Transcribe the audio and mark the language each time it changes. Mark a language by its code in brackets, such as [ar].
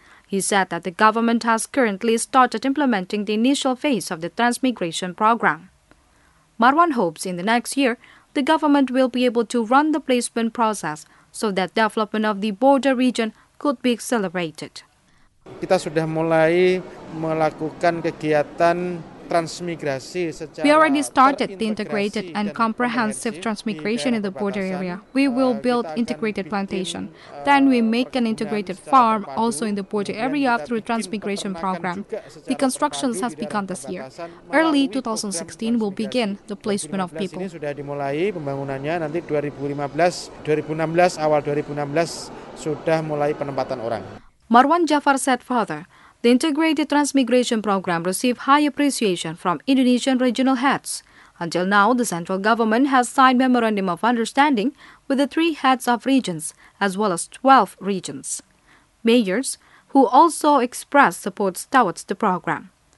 [en] He said that the government has currently started implementing the initial phase of the transmigration program. Marwan hopes in the next year, the government will be able to run the placement process so that development of the border region could be accelerated. [id] Kita sudah mulai melakukan kegiatan transmigrasi secara [en] We already started the integrated and comprehensive transmigration in the border area. We will build integrated plantation. Then we make an integrated farm also in the border area through a transmigration program. The construction has begun this year. Early 2016 will begin the placement of people. [id] Sudah dimulai pembangunannya nanti 2016 awal 2016 sudah mulai penempatan orang. [en] Marwan Jafar said further, the integrated transmigration program received high appreciation from Indonesian regional heads. Until now, the central government has signed memorandum of understanding with the three heads of regions as well as 12 regions. Mayors, who also expressed support towards the program.